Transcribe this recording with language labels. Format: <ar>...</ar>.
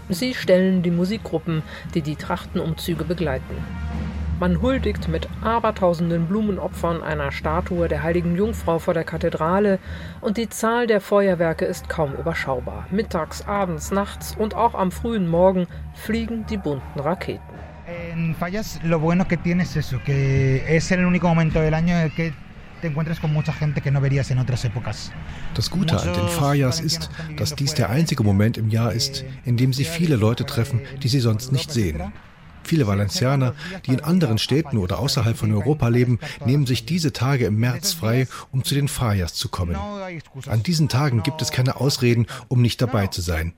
<de>Sie stellen die Musikgruppen, die die Trachtenumzüge begleiten. Man huldigt mit abertausenden Blumenopfern einer Statue der Heiligen Jungfrau vor der Kathedrale und die Zahl der Feuerwerke ist kaum überschaubar. Mittags, abends, nachts und auch am frühen Morgen fliegen die bunten Raketen.</de> <es>En Fallas lo bueno que tiene es eso, que es el único momento del año en que te encuentras con mucha gente que no verías en otras épocas.</es> <de>Das Gute an den Fallas ist, dass dies der einzige Moment im Jahr ist, in dem sie viele Leute treffen, die sie sonst nicht sehen. Viele Valencianer, die in anderen Städten oder außerhalb von Europa leben, nehmen sich diese Tage im März frei, um zu den Fallas zu kommen. An diesen Tagen gibt es keine Ausreden, um nicht dabei zu sein.</de>